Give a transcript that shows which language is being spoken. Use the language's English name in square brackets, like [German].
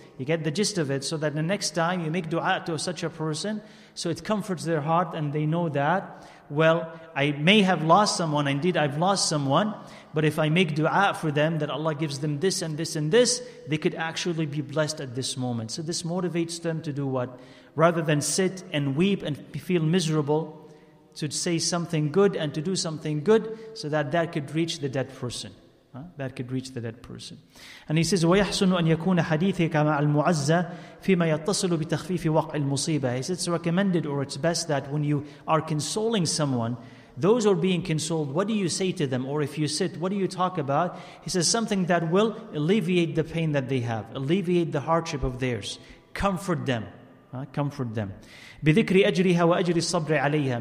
[English] You get the gist of it, so that the next time you make dua to such a person, so it comforts their heart and they know that, well, I may have lost someone, indeed I've lost someone, but if I make dua for them, that Allah gives them this and this and this, they could actually be blessed at this moment. So this motivates them to do what? Rather than sit and weep and feel miserable, to say something good and to do something good, so that that could reach the dead person. That could reach the dead person. And he says, [Arabic] وَيَحْسُنُ أَنْ يَكُونَ حَدِيثِكَ مَعَ الْمُعَزَّ فِيمَا يَتَّصِلُ بِتَخْفِيفِ وَقْعِ الْمُصِيبَةِ. [English] He says, it's recommended, or it's best, that when you are consoling someone, those who are being consoled, what do you say to them? Or if you sit, what do you talk about? He says, something that will alleviate the pain that they have, alleviate the hardship of theirs, comfort them. Comfort them. [Arabic] بِذِكْرِ أَجْرِهَا وَأَجْرِ الصَّبْرِ عَلَيْهَا.